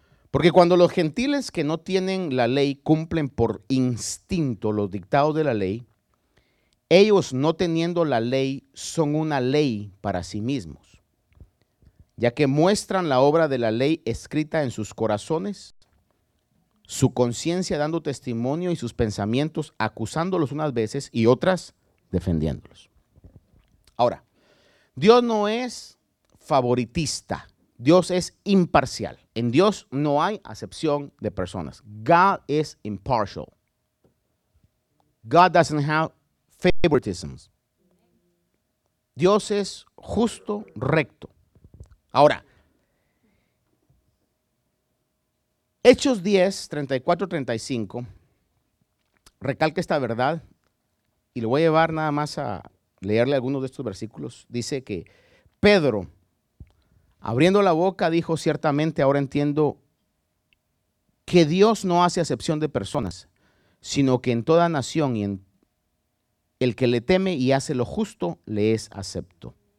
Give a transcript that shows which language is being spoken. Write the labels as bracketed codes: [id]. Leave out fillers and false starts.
[es] Porque cuando los gentiles que no tienen la ley cumplen por instinto los dictados de la ley, ellos no teniendo la ley son una ley para sí mismos, ya que muestran la obra de la ley escrita en sus corazones, su conciencia dando testimonio y sus pensamientos acusándolos unas veces y otras defendiéndolos. Ahora, Dios no es favoritista. Dios es imparcial. En Dios no hay acepción de personas. [en] God is impartial. God doesn't have favoritism. [es] Dios es justo, recto. Ahora, Hechos 10, 34-35, recalca esta verdad y lo voy a llevar nada más a leerle algunos de estos versículos. Dice que Pedro, abriendo la boca, dijo, ciertamente ahora entiendo que Dios no hace acepción de personas, sino que en toda nación y en el que le teme y hace lo justo, le es acepto.